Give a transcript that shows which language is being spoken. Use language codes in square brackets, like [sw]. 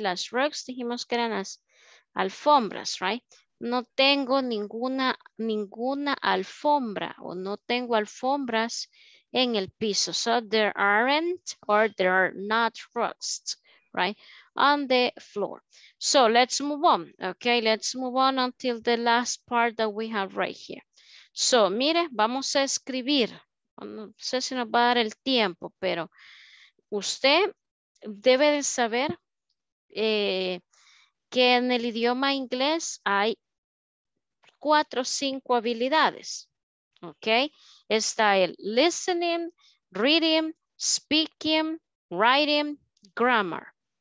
[es] Las rugs dijimos que eran las alfombras, right? No tengo ninguna alfombra o no tengo alfombras en el piso. [en] So there aren't or there are not rugs, right? On the floor. So let's move on. Okay, let's move on until the last part that we have right here. [es] So, mire, vamos a escribir. No sé si nos va a dar el tiempo, pero usted debe de saber que en el idioma inglés hay 4 o 5 habilidades. Ok, está el listening, reading, speaking, writing, grammar.